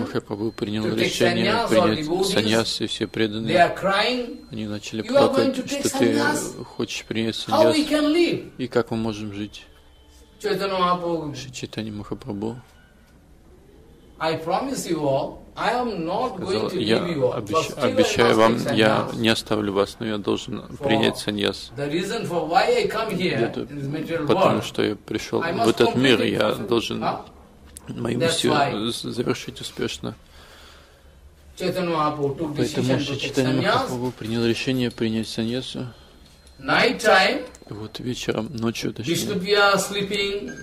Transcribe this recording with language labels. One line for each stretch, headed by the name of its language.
Russian: Махапрабху принял решение принять саньяс, и все преданные,
English: they are crying,
Russian: они начали плакать, что ты хочешь принять саньяс, и как мы можем жить? Шри Чайтанья Махапрабху,
English: I promise you all, I am not going to leave you all.
Russian: Обещаю вам, я не оставлю вас, но я должен принять саньяс.
English: The reason for why I come here, in this material world,
Russian: потому что я пришел в этот мир, я должен мою миссию завершить успешно. Поэтому Шри Чайтанья Махапрабху принял решение принять саньясу.
English: Night time.
Russian: Вот вечером, ночью, точнее.
English: Вишнуприя sleeping.